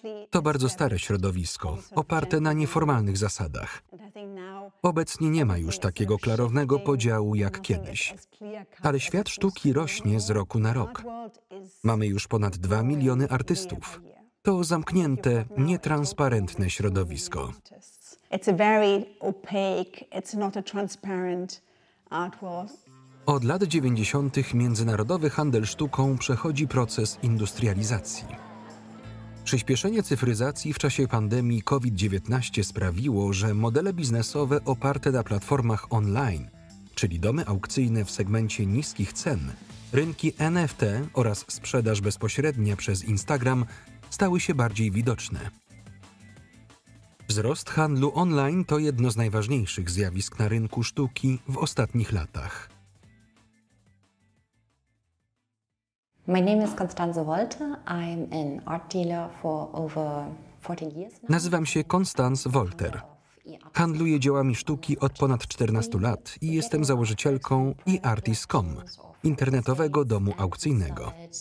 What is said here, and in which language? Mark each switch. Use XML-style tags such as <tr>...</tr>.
<pl>To bardzo stare środowisko, oparte na nieformalnych zasadach. Obecnie nie ma już takiego klarownego podziału jak kiedyś. Ale świat sztuki rośnie z roku na rok. Mamy już ponad 2 miliony artystów. To zamknięte, nietransparentne środowisko.</pl> <en>It's a very opaque, it's not a transparent art world.</en> <pl>Od lat 90. międzynarodowy handel sztuką przechodzi proces industrializacji. Przyspieszenie cyfryzacji w czasie pandemii COVID-19 sprawiło, że modele biznesowe oparte na platformach online, czyli domy aukcyjne w segmencie niskich cen, rynki NFT oraz sprzedaż bezpośrednia przez Instagram stały się bardziej widoczne. Wzrost handlu online to jedno z najważniejszych zjawisk na rynku sztuki w ostatnich latach.</pl> <en>My name is Konstanze Wolter. I'm an art dealer for over 14 years.</en> <pl>Nazywam się Konstanz Wolter. Handluję dziełami sztuki od ponad 14 lat i jestem założycielką eartist.com, internetowego domu aukcyjnego.</pl>